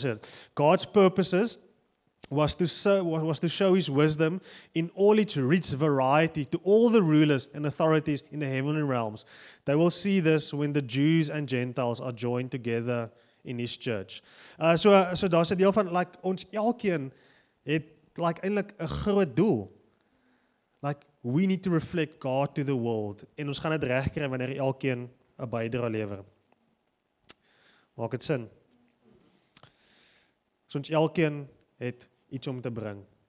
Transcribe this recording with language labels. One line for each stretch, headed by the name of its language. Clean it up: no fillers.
English: So, God's purposes was to show his wisdom in all its rich variety to all the rulers and authorities in the heavenly realms. They will see this when the Jews and Gentiles are joined together in his church.
Afrikaans: So daar's 'n deel van, like, ons elkeen het like eintlik 'n groot doel.
English: Like, we need to reflect God to the world.
Afrikaans: En ons gaan dit regkry wanneer elkeen 'n bydrae lewer. Maak dit sin? So ons elkeen het iets om te bring.